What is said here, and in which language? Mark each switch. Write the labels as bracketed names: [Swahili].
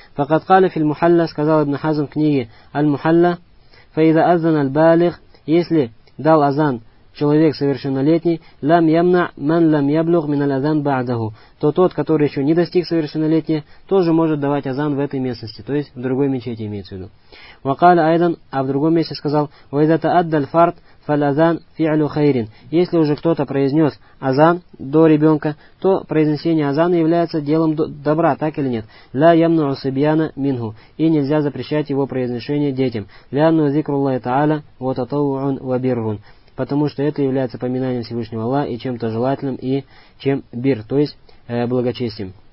[Arabic] «Факад кали фил мухалла», [Russian] сказал ибн Хазм в книге «Аль-Мухалла», [Arabic] «Фаида аззан аль-балих», [Russian] если дал азан человек совершеннолетний, [Arabic] «Лам ямна ман лам яблух мин аль-азан ба'дагу», [Russian] то тот, который еще не достиг совершеннолетия, тоже может давать азан в этой местности, то есть в другой мечети имеется в виду. [Arabic] وقال أيضا, [Russian] а в другом месте сказал, [Arabic] وإذا تأدى الفرد فالأذان فعل خير. [Russian] Если уже кто-то произнес азан до ребенка, то произнесение азана является делом добра, так или нет? [Arabic] لا يمنع الصبيان منه, [Russian] и нельзя запрещать его произношение детям. [Arabic] لأن ذكر الله تعالى وتطوع وبر, [Russian] потому что это является поминанием Всевышнего Аллаха и чем-то желательным, и чем бир, то есть благочестием.